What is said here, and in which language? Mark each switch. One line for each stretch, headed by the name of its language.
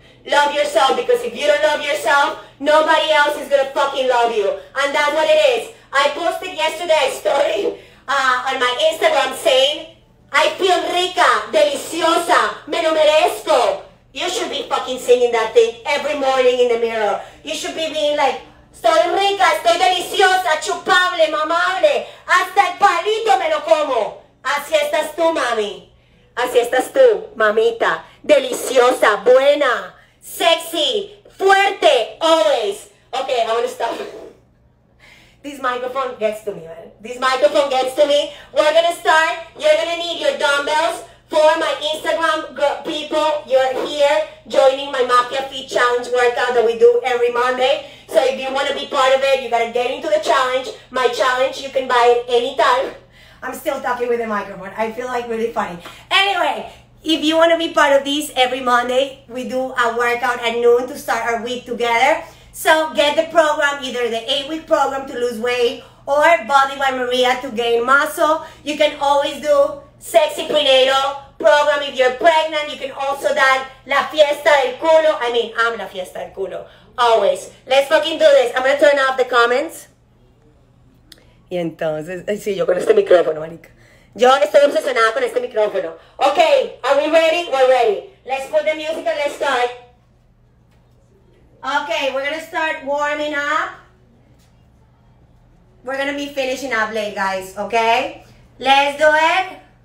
English: Love yourself, because if you don't love yourself, nobody else is gonna fucking love you. And that's what it is. I posted yesterday a story on my Instagram saying, I feel
Spanish: rica, deliciosa, me lo merezco.
English: You should be fucking singing that thing every morning in the mirror. You should be being like,
Spanish: estoy rica, estoy deliciosa, chupable, mamable, hasta el palito me lo como. Así estás tú, mami. Así estás tú, mamita. Deliciosa, buena, sexy, fuerte,
English: always. Okay, I'm gonna stop. This microphone gets to me, man. This microphone gets to me. We're gonna start. You're gonna need your dumbbells for my Instagram people. You're here joining my Mafia Feet Challenge workout that we do every Monday. So if you wanna be part of it, you gotta get into the challenge. My challenge, you can buy it anytime. I'm still talking with the microphone. I feel like really funny. Anyway, if you want to be part of this, every Monday, we do a workout at noon to start our week together. So get the program, either the 8-week program to lose weight or Body by Maria to gain muscle. You can always do sexy prenatal program if you're pregnant. You can also do La Fiesta del Culo. I mean, I'm La Fiesta del Culo, always. Let's fucking do this. I'm going to turn off the comments.
Spanish: Y entonces, sí, yo con este micrófono, marica. Yo estoy obsesionada con este micrófono.
English: Okay, are we ready? We're ready. Let's put the music and let's start. Okay, we're gonna start warming up. We're gonna be finishing up late, guys, okay? Let's do it.